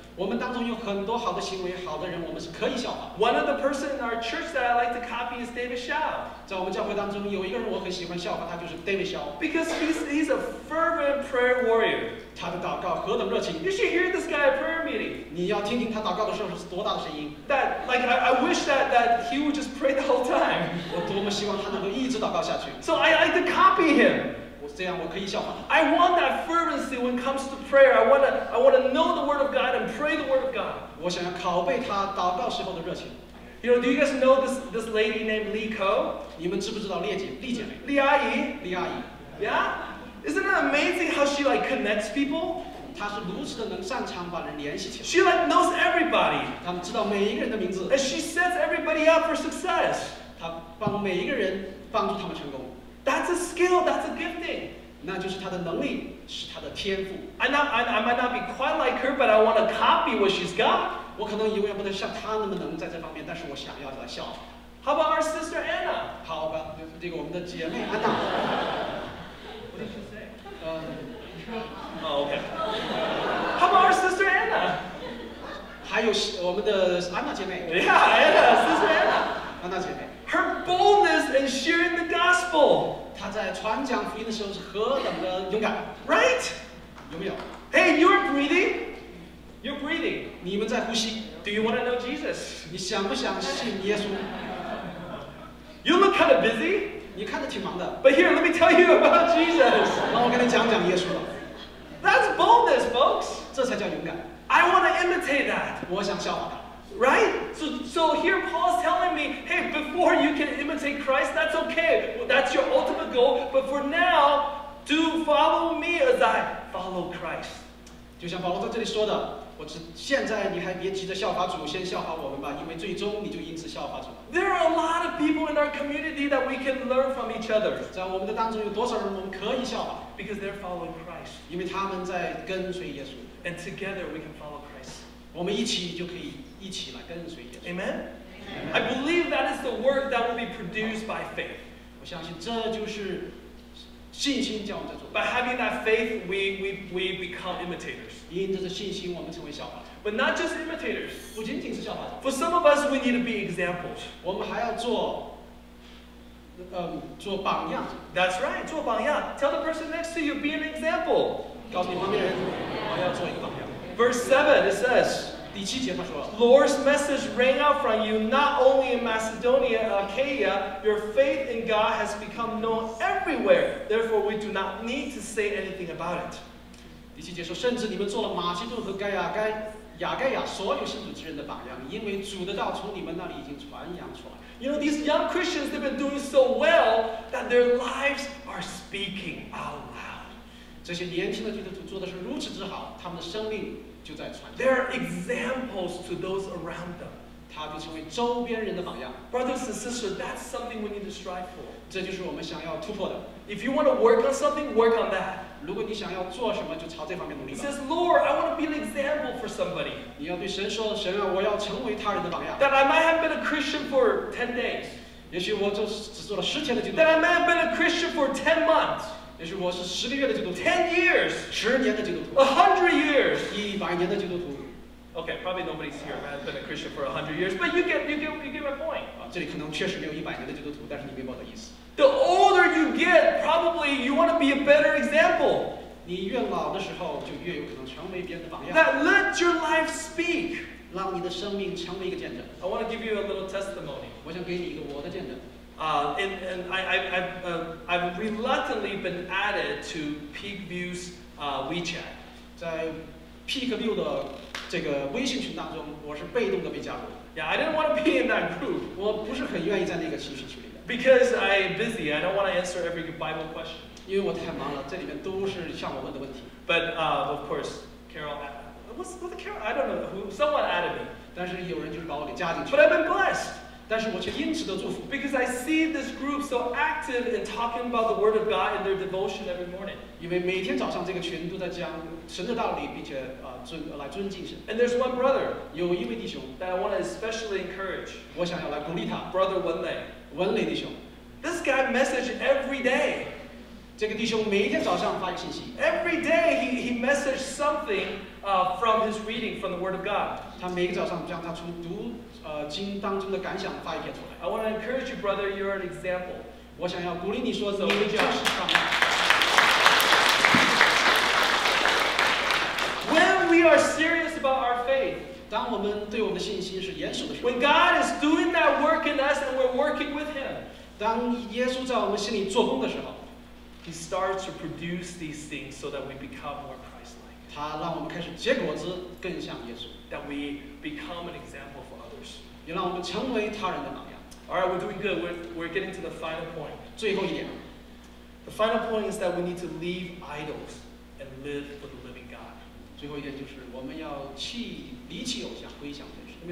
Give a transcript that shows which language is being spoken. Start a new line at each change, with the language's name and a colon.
Chinese: 我们当中有很多好的行为，好的人，我们是可以效法。
English: One of the person in our church that I like to copy is David Shaw.
Chinese: 在我们教会当中有一个人我很喜欢效法，他就是 David Shaw.
English: Because he's a fervent prayer warrior.
Chinese: 他的祷告何等热情。
English: You should hear this guy at prayer meeting.
Chinese: 你要听听他祷告的时候是多大的声音。
English: That, like, I wish that he would just pray the whole time.
Chinese: 我多么希望他能够一直祷告下去。
English: So I like to copy him.
Chinese: 这样我可以效仿。
English: I want that fervency when it comes to prayer. I want to know the word of God and pray the word of God.
Chinese: 我想要拷贝他祷告时候的热情。
English: You know, do you guys know this lady named Lee Ko?
Chinese: 你们知不知道列姐，丽姐妹？李阿姨。李阿姨。
English: Yeah? Isn't it amazing how she like connects people?
Chinese: 她是如此的能擅长把人联系起来。
English: She like knows everybody.
Chinese: 她们知道每一个人的名字。
English: And she sets everybody up for success.
Chinese: 她帮每一个人帮助他们成功。
English: That's a skill, that's a gifting.
Chinese: 那就是她的能力，是她的天赋。
English: I might not be quite like her, but I want to copy what she's got.
Chinese: 我可能永远不能像她那么能在这方面，但是我想要来效仿。
English: How about our sister Anna?
Chinese: 好吧，这个我们的姐妹安娜。
English: What did you say? Okay. How about our sister Anna?
Chinese: 还有我们的安娜姐妹。
English: Anna, Sister Anna.
Chinese: 安娜姐妹。
English: Her boldness in sharing the gospel.
Chinese: 她在传讲福音的时候是何等的勇敢。
English: Right?
Chinese: 有没有
English: ？Hey, you're breathing. You're breathing.
Chinese: 你们在呼吸。
English: Do you want to know Jesus?
Chinese: 你想不想信耶稣
English: ？You look kind of busy.
Chinese: 你看着挺忙的。
English: But here, let me tell you about Jesus.
Chinese: 让我跟你讲讲耶稣了。
English: That's boldness, folks.
Chinese: 这才叫勇敢。
English: I want to imitate that.
Chinese: 我想效仿他。
English: Right? So here Paul's telling me, hey, before you can imitate Christ, that's okay. That's your ultimate goal. But for now, do follow me as I follow Christ.
Chinese: 就像保罗在这里说的，我只现在你还别急着效法主，先效法我们吧，因为最终你就因此效法主。
English: There are a lot of people in our community that we can learn from each other.
Chinese: 在我们的当中有多少人我们可以效法
English: ？Because they're following Christ.
Chinese: 因为他们在跟随耶稣。
English: And together we can follow Christ.
Chinese: 我们一起就可以。一起来跟随耶稣。
English: Amen. I believe that is the work that will be produced by faith.
Chinese: 我相信这就是信心叫我们在做。
English: By having that faith, we become imitators.
Chinese: 因着这信心，我们成为效法者。
English: But not just imitators.
Chinese: 不仅仅是效法者。
English: For some of us, we need to be examples.
Chinese: 我们还要做，做榜样。
English: That's right,
Chinese: 做榜样。
English: Tell the person next to you, be an example.
Chinese: 告诉你旁边人，我要做一个榜样。
English: Verse 7, it says.
Chinese: 第七节他说
English: Lord's message rang out from you not only in Macedonia and Achaia, your faith in God has become known everywhere. Therefore, we do not need to say anything about it.
Chinese: 第七节说，甚至你们做了马其顿和雅盖亚所有圣徒之人的榜样，因为主的道从你们那里已经传扬出来。
English: You know, these young Christians, they've been doing so well that their lives are speaking out loud.
Chinese: 这些年轻的基督徒做的是如此之好，他们的生命。
English: They are examples to those around them.
Chinese: 他就成为周边人的榜样。
English: Brothers and sisters, that's something we need to strive for.
Chinese: 这就是我们想要突破的。
English: If you want to work on something, work on that.
Chinese: 如果你想要做什么，就朝这方面努力吧。
English: He says, Lord, I want to be an example for somebody.
Chinese: 你要对神说，神啊，我要成为他人的榜样。
English: That I might have been a Christian for 10 days.
Chinese: 也许我就只做了十天的基督徒。
English: That I might have been a Christian for 10 months.
Chinese: 也许我是十个月的基督徒
English: 10 years
Chinese: 十年的基督徒
English: 100 years
Chinese: 一百年的基督徒
English: Okay, probably nobody's here I've been a Christian for 100 years But you get my point
Chinese: 这里可能确实没有一百年的基督徒但是你明白我的意思
English: The older you get Probably you want to be a better example
Chinese: 你越老的时候就越有可能成为别人的榜样
English: That let your life speak
Chinese: 让你的生命成为一个见证
English: I want to give you a little testimony
Chinese: 我想给你一个我的见证
English: I've reluctantly been added to Peak View's WeChat.
Chinese: 在 Peak View 的这个微信群当中，我是被动的被加入。
English: Yeah, I didn't want to be in that group.
Chinese: 我不是很愿意在那个信息群里面。
English: Because I'm busy, I don't want to answer every Bible question.
Chinese: 因为我太忙了，这里面都是向我问的问题。
English: But of course, Carol, what's Carol? I don't know who. Someone added me.
Chinese: 但是有人就是把我给加进去。
English: But I've been blessed.
Chinese: 但是我却因此得祝福
English: Because I see this group so active in talking about the word of God in their devotion every morning.
Chinese: 因为每天早上这个群都在讲神的道理，并且来尊敬神。
English: And there's one brother,
Chinese: 有一位弟兄
English: that I want to especially encourage.
Chinese: 我想要来鼓励他
English: Brother 文磊，
Chinese: 文磊弟兄。
English: This guy messages every day.
Chinese: 这个弟兄每天早上发信息。
English: Every day he messages something from his reading from the word of God.
Chinese: 他每个早上将他从读经当中的感想发一篇出来。
English: I want to encourage you, brother. You're an example.
Chinese: 我想要鼓励你说，你就是榜样。
English: When we are serious about our faith,
Chinese: 当我们对我们的信心是严肃的时候
English: ，When God is doing that work in us and we're working with Him,
Chinese: 当耶稣在我们心里做工的时候
English: ，He starts to produce these things so that we become more Christ-like.
Chinese: 他让我们开始结果子更像耶稣
English: ，That we become an example for.
Chinese: 也让我们成为他人的榜样。
English: All right, we're doing good. We're getting to the final point.
Chinese: 最后一点。
English: The final point is that we need to leave idols and live for the living God.
Chinese: 最后一点就是我们要离弃偶像，归向真神。